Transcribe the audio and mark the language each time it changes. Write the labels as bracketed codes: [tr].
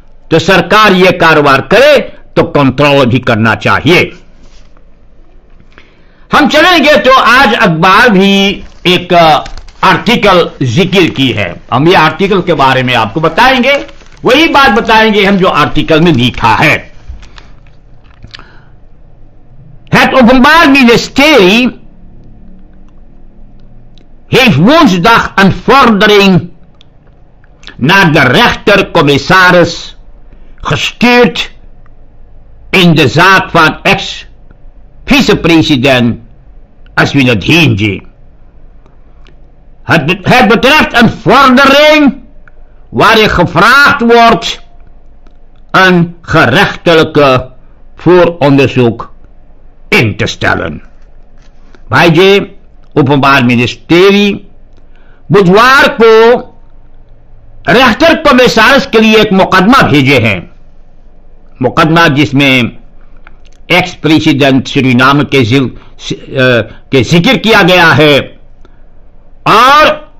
[hi] तो सरकार ये कारोबार करे तो कंट्रोल भी करना चाहिए. हम चलेंगे तो आज अखबार भी एक आर्टिकल जिक्र की है, हम ये आर्टिकल के बारे में आपको बताएंगे, वही बात बताएंगे हम जो आर्टिकल में लिखा है. [nl] Het Openbaar Ministerie heeft woensdag een vordering naar de rechtercommissaris gestuurd in de zaak van ex-vicepresident Aswinat Hinji. Het betreft een vordering waarin gevraagd wordt een gerechtelijke vooronderzoek in te stellen. [hi] भाई जी, उपमार ministry बुधवार को rector commissioners के लिए एक मुकदमा भेजे हैं, मुकदमा जिसमें एक्स प्रेसिडेंट सूरीनाम के जिक्र किया गया है और